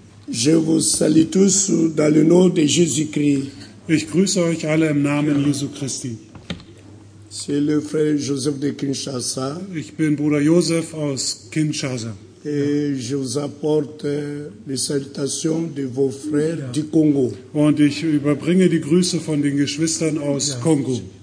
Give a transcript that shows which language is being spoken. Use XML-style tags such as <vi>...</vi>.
<fr>Je vous salue tous dans le nom de Jésus-Christ.</fr> <de>Ich grüße euch alle im Namen Jesu Christi.</de> <fr>C'est le frère Joseph de Kinshasa.</fr> <de>Ich bin Bruder Joseph aus Kinshasa.</de> <fr>Et je vous apporte les salutations de vos frères du Congo.</fr> <de>Und ich überbringe die Grüße von den Geschwistern aus Kongo.</de>